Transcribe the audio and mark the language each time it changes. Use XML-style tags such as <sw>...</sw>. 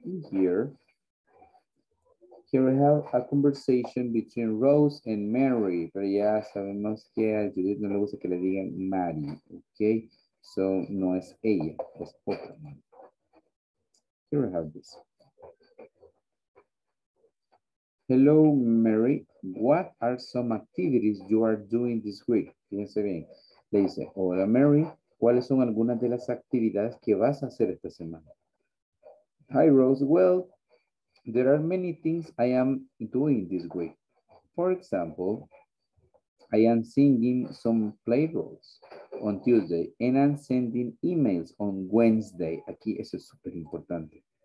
<en>Here we have a conversation between Rose and Mary.</en> <es>Pero ya sabemos que a Judith no le gusta que le digan Mary.</es> <en>Okay, so</en> <es>no es ella, es otra.</es> <en>Here we have this. Hello, Mary. What are some activities you are doing this week?</en> <es>Fíjense bien. Le dice, hola, Mary. ¿cuáles son algunas de las actividades que vas a hacer esta semana?</es> <en>Hi, Rose. Well, there are many things I am doing this week. For example, I am singing some play roles on Tuesday and I'm sending emails on Wednesday.</en> <es>Aquí eso es súper importante.</es>